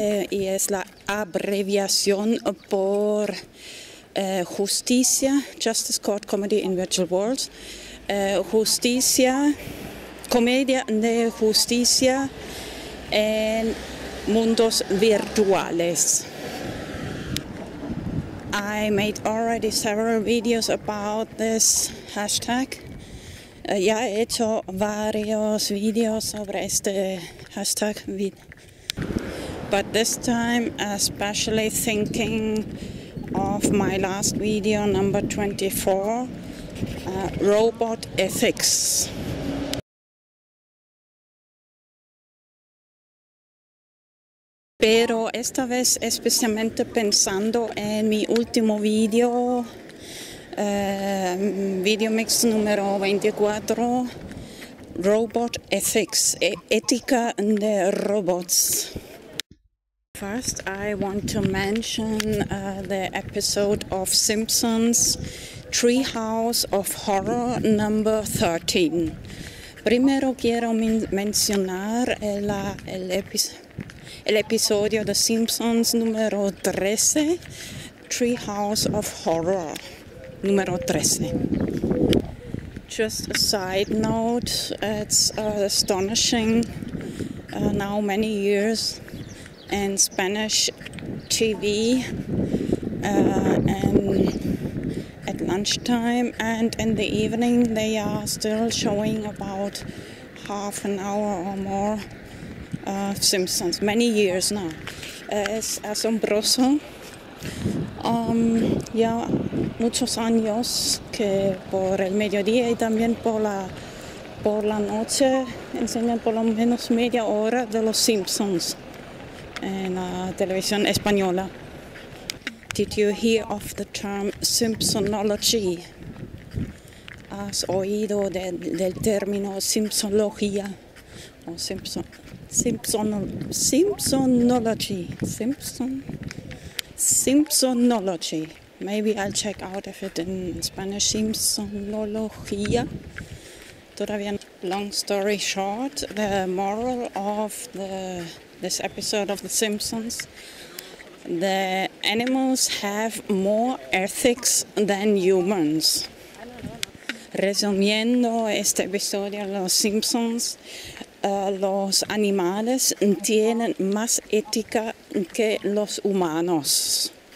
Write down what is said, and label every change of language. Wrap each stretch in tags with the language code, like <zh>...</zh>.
<es>y es la abreviación por Justicia,</es> <en>Justice, Court, Comedy in Virtual Worlds,</en> <es>Justicia, Comedia de Justicia en Mundos Virtuales.</es> <en>I made already several videos about this hashtag.</en> <es>Ya he hecho varios videos sobre este hashtag.</es> <en>But this time, especially thinking of my last video, number 24, Robot Ethics.</en> <es>Pero esta vez especialmente pensando en mi último video, VideoMix número 24, Robot Ethics, ética de robots.</es> <en>First, I want to mention the episode of Simpsons, Treehouse of Horror, number 13.</en> <es>Primero quiero mencionar el episodio de Simpsons número 13, Treehouse of Horror, número 13.</es> <en>Just a side note, it's astonishing, now many years in Spanish TV and at lunchtime and in the evening they are still showing about half an hour or more Simpsons, many years now.</en> <es>Es asombroso. Ya muchos años que por el mediodía y también por la noche enseñan por lo menos media hora de los Simpsons en la televisión española.</es> <en>Did you hear of the term Simpsonology?</en> <es>¿Has oído del término Simpsonología? O Simpsonology.</es> <en>Maybe I'll check out if it in Spanish. Simpsonología.</en> <es>Todavía no.</es> <en>Long story short, the moral of this episode of The Simpsons, the animals have more ethics than humans.</en> <es>Resumiendo este episodio de Los Simpsons, los animales tienen más ética que los humanos.</es>